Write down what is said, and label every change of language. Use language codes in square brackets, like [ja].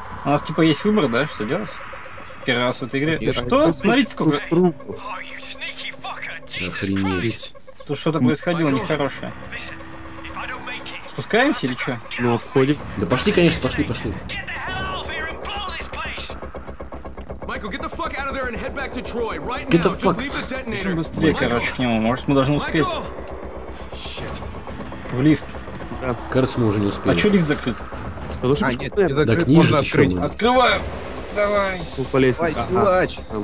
[ru] У нас типа есть выбор, да, что делать? Первый раз в этой игре. Да что? Смотрите сколько. Охренеть. Тут что-то происходило нехорошее. Спускаемся или что? Ну, обходим. Да пошли, конечно, пошли, пошли. [en] Get the fuck out of there and head back to Troy right now. Just leave the detonator. [ru] Быстрее, короче, к нему. Мы должны успеть. В лифт. Да. Кажется, мы уже не успели. А что лифт закрыт? Подожди, нет, закрыт. Можно еще открыть. Мы. Открываем. Давай. Слышь,